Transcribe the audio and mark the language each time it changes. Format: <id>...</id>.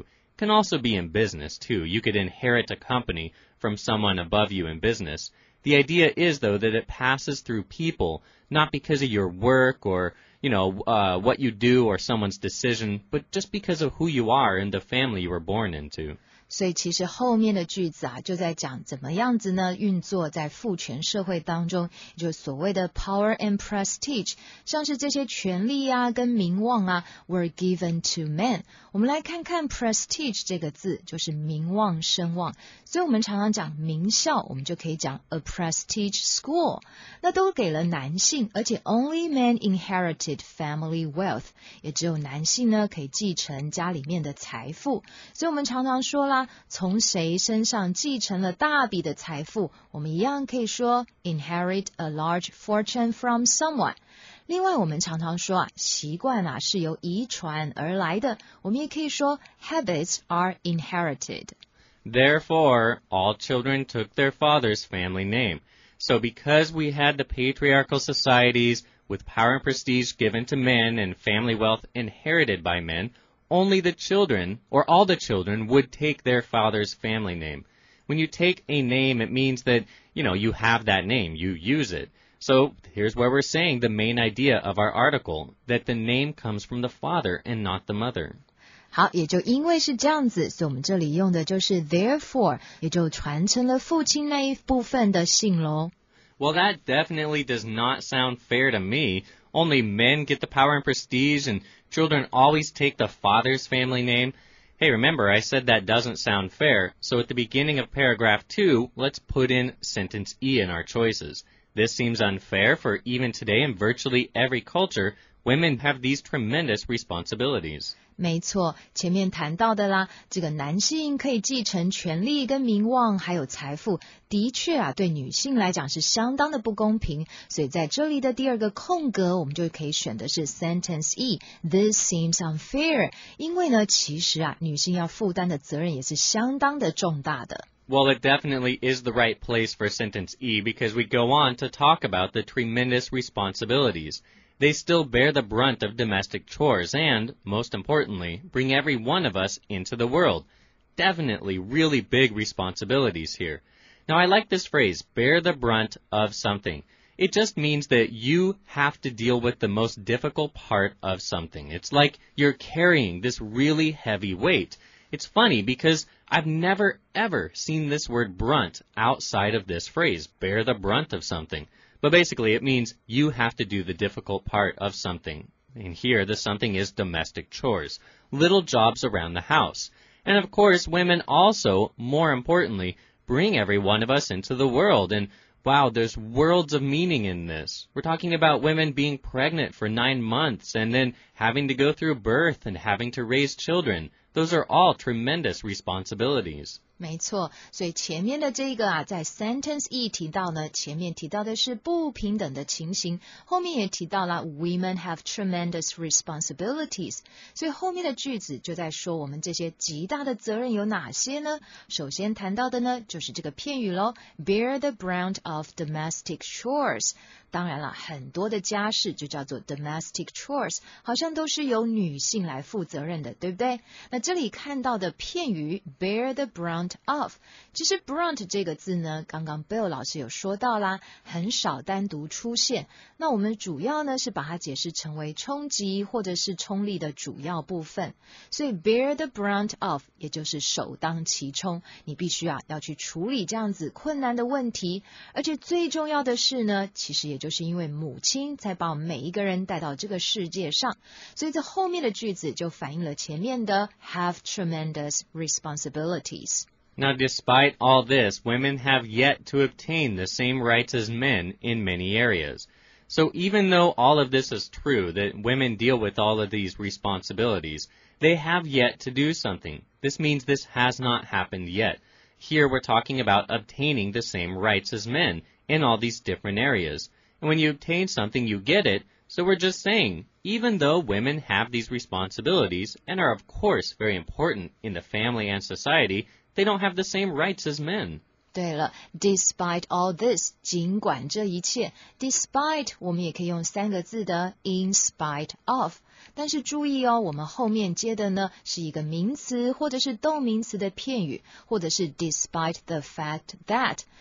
<en>It can also be in business, too. You could inherit a company from someone above you in business. The idea is, though, that it passes through people, not because of your work or, you know, what you do or someone's decision, but just because of who you are and the family you were born into.</en> <zh>所以其实后面的句子啊，就在讲怎么样子呢，运作在父权社会当中，也就是所谓的</zh> <en>power and prestige,</en> <zh>像是这些权力啊跟名望啊</zh> <en>were given to men.</en> <zh>我们来看看 prestige 这个字，就是名望声望。所以我们常常讲名校，我们就可以讲</zh> <en>a prestige school.</en> <zh>那都给了男性，而且</zh> <en>only men inherited family wealth,</en> <zh>也只有男性呢可以继承家里面的财富。所以我们常常说从谁身上继承了大笔的财富，我们一样可以说</zh> <en>inherit a large fortune from someone。</en> <zh>另外，我们常常说啊，习惯啊是由遗传而来的，我们也可以说</zh> <en>habits are inherited。 Therefore, all children took their father's family name. So, because we had the patriarchal societies with power and prestige given to men and family wealth inherited by men. Only the children, or all the children, would take their father's family name. When you take a name, it means that, you know, you have that name, you use it. So, here's where we're saying the main idea of our article, that the name comes from the father and not the mother.</en> <zh>好，也就因为是这样子，所以我们这里用的就是 therefore, 也就传承了父亲那一部分的姓咯。</zh> <en>Well, that definitely does not sound fair to me. Only men get the power and prestige, and children always take the father's family name. Hey, remember, I said that doesn't sound fair. So at the beginning of paragraph two, let's put in sentence E in our choices. This seems unfair, for even today in virtually every culture, women have these tremendous responsibilities.</en> <zh>没错，前面谈到的啦，这个男性可以继承权力跟名望还有财富，的确啊，对女性来讲是相当的不公平，所以在这里的第二个空格，我们就可以选的是</zh> <en>sentence E, this seems unfair,</en> <zh>因为呢，其实啊，女性要负担的责任也是相当的重大的。</zh> <en>Well, it definitely is the right place for sentence E, because we go on to talk about the tremendous responsibilities. They still bear the brunt of domestic chores and, most importantly, bring every one of us into the world. Definitely really big responsibilities here. Now, I like this phrase, bear the brunt of something. It just means that you have to deal with the most difficult part of something. It's like you're carrying this really heavy weight. It's funny because I've never, ever seen this word brunt outside of this phrase, bear the brunt of something. But basically, it means you have to do the difficult part of something. And here, the something is domestic chores, little jobs around the house. And of course, women also, more importantly, bring every one of us into the world. And wow, there's worlds of meaning in this. We're talking about women being pregnant for 9 months and then having to go through birth and having to raise children. Those are all tremendous responsibilities.</en> <zh>没错，所以前面的这个啊，在 sentence 一提到呢，前面提到的是不平等的情形，后面也提到了</zh> <en>women have tremendous responsibilities，</en> <zh>所以后面的句子就在说我们这些极大的责任有哪些呢？首先谈到的呢，就是这个片语咯</zh> <en>bear the brunt of domestic chores。</en> <zh>当然了，很多的家事就叫做</zh> <en>domestic chores，</en> <zh>好像都是由女性来负责任的，对不对？那这里看到的片语</zh> <en>bear the brunt of，</en> <zh>其实 brunt 这个字呢，刚刚 Bill 老师有说到啦，很少单独出现。那我们主要呢是把它解释成为冲击或者是冲力的主要部分，所以</zh> <en>bear the brunt of</en> <zh>也就是首当其冲，你必须啊要去处理这样子困难的问题，而且最重要的是呢，其实也就是因为母亲才把每一个人带到这个世界上，所以这后面的句子就反映了前面的</zh> <en>have tremendous responsibilities。 Now, despite all this, women have yet to obtain the same rights as men in many areas. So even though all of this is true, that women deal with all of these responsibilities, they have yet to do something. This means this has not happened yet. Here we're talking about obtaining the same rights as men in all these different areas. And when you obtain something, you get it. So we're just saying, even though women have these responsibilities and are, of course, very important in the family and society, they don't have the same rights as men.</en> <zh>对了 ,</zh> <en>despite all this,</en> <zh>尽管这一切 ,despite 我们也可以用三个字的</zh> <en>in spite of,</en> <zh>但是注意哦，我们后面接的呢是一个名词或者是动名词的片语，或者是</zh> <en>despite the fact that,</en>